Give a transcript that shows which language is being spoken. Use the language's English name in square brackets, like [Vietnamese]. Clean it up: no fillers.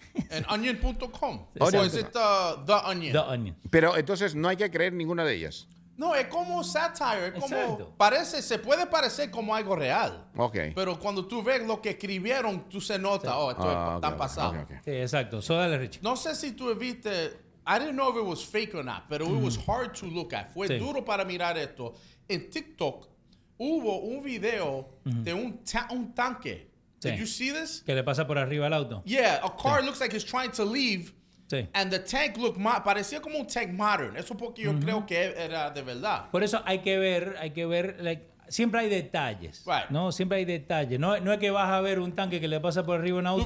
[Spanish] En onion.com. Onion. ¿O es The Onion? Pero entonces no hay que creer ninguna de ellas. No, es como satire. Es como parece, se puede parecer como algo real. Ok. Pero cuando tú ves lo que escribieron, tú se nota. Sí. Oh, esto está pasado. Okay. Sí, exacto. So, dale, Richie. No sé si tú viste... [English] I didn't know if it was fake or not, [Spanish] pero [English] it was hard to look at. [Spanish] Fue duro para mirar esto. En TikTok... Hubo un video de un tanque. [English] Did you see this? [Spanish] Que le pasa por arriba al auto. [English] Yeah, a car looks like it's trying to leave. [Spanish] Sí. [English] And the tank looked [Spanish] parecía como un [English] tank modern. [Spanish] Eso porque yo creo que era de verdad. Por eso hay que ver, like, siempre hay detalles. [English] Right. [Spanish] No, siempre hay detalles. No es que vas a ver un tanque que le pasa por arriba un auto.